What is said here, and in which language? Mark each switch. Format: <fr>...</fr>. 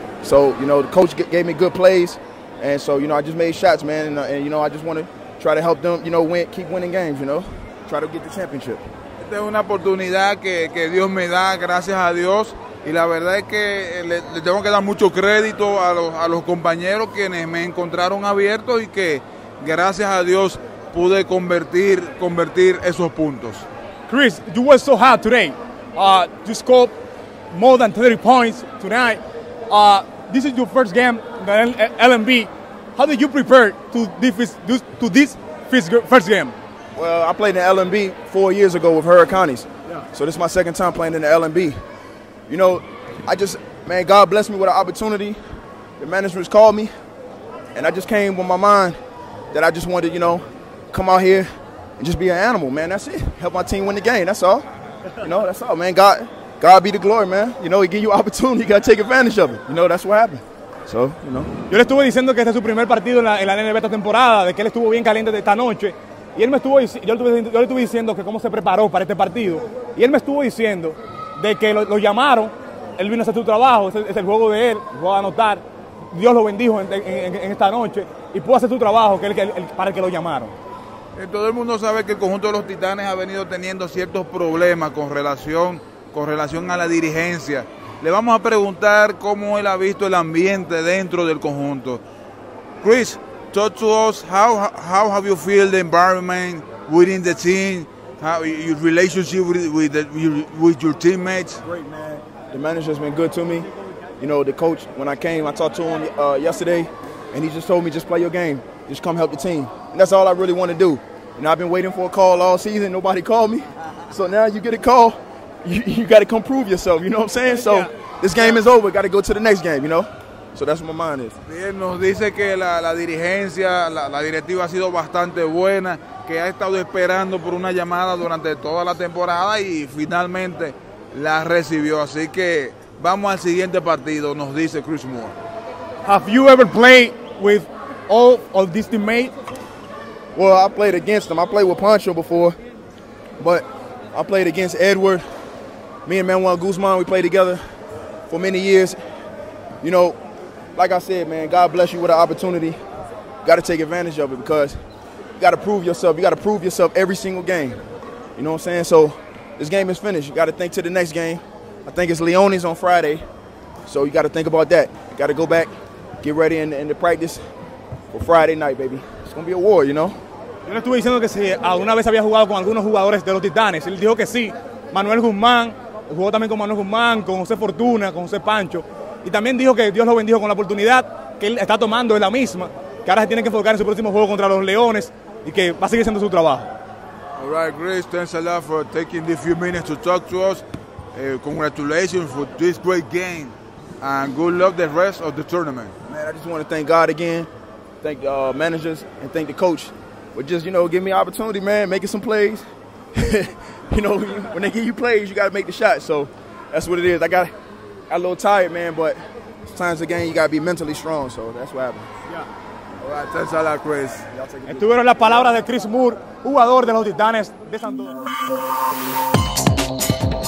<en>So, you know, the coach gave me good plays. And so, you know, I just made shots, man. And you know, I just want to try to help them, you know, win, keep winning games, you know. Try to get the championship.</en> <es>Esta es una oportunidad que Dios me da, gracias a Dios. Y la verdad es que le tengo que dar mucho crédito a los compañeros quienes me encontraron abierto y que gracias a Dios pude convertir esos puntos.</es> <en>Chris, you worked so hard today. You scored more than 30 points tonight. This is your first game in the LNB. How did you prepare to this first game? Well, I played in the LNB 4 years ago with Hurricanes. Yeah. So this is my second time playing in the LNB. You know, I just, man, God blessed me with an opportunity. The management called me, and I just came with my mind that I just wanted, you know, come out here and just be an animal, man. That's it. Help my team win the game. That's all. You know, that's all, man. God be the glory, man. You know, he give you opportunity. You got to take advantage of it. You know, that's what happened. So, you know.</en> <es>Yo le estuve diciendo que este es su primer partido en la NBA esta temporada, de que él estuvo bien caliente esta noche. Y él me estuvo, yo le estuve diciendo que cómo se preparó para este partido. Y él me estuvo diciendo de que lo llamaron, él vino a hacer su trabajo, es el juego de él, lo voy a anotar. Dios lo bendijo en esta noche y pudo hacer su trabajo para el que lo llamaron. Todo el mundo sabe que el conjunto de los Titanes ha venido teniendo ciertos problemas con relación a la dirigencia. Le vamos a preguntar cómo él ha visto el ambiente dentro del conjunto.</es> <en>Chris, talk to us, how have you feel the environment within the team? How your relationship with your teammates? Great, man. The manager's been good to me. You know, the coach, when I came, I talked to him yesterday, and he just told me, just play your game. Just come help the team. And that's all I really want to do. You know, I've been waiting for a call all season. Nobody called me. So now you get a call, you got to come prove yourself. You know what I'm saying? So this game is over. Got to go to the next game, you know? So that's what my mind is.</en> <es>Bien, nos dice que la dirigencia, la directiva ha sido bastante buena, que ha estado esperando por una llamada durante toda la temporada y finalmente la recibió. Así que vamos al siguiente partido, nos dice Chris Moore.</es> <en>Have you ever played with all of these teammates? Well, I played against them. I played with Pancho before, but I played against Edward. Me and Manuel Guzman, we played together for many years. You know, like I said, man, God bless you with an opportunity. You got to take advantage of it because you got to prove yourself. You got to prove yourself every single game. You know what I'm saying? So this game is finished. You got to think to the next game. I think it's Leone's on Friday. So you got to think about that. You got to go back, get ready in the practice for Friday night, baby. It's going to be a war, you know?</en> <es>Yo le estuve diciendo que si alguna vez había jugado con algunos jugadores de los Titanes. Él dijo que sí. Manuel Guzmán jugó también con Manuel Guzmán, con José Fortuna, con José Pancho. Y también dijo que Dios lo bendijo con la oportunidad que él está tomando, es la misma, que ahora se tiene que enfocar en su próximo juego contra los Leones y que va a seguir haciendo su trabajo.</es> <en>All right, Chris, thanks a lot for taking the few minutes to talk to us. Congratulations for this great game and good luck the rest of the tournament. Man, I just want to thank God again, thank the managers, and thank the coach for just, you know, giving me opportunity, man, making some plays. You know, when they give you plays, you got to make the shot. So that's what it is. I'm a little tired, man, but sometimes again you gotta be mentally strong, so that's what happened. Yeah. All right, thanks a lot, Chris.</en> <es>Estuvieron las palabras de Chris Moore, jugador de los Titanes de San Antonio.</es>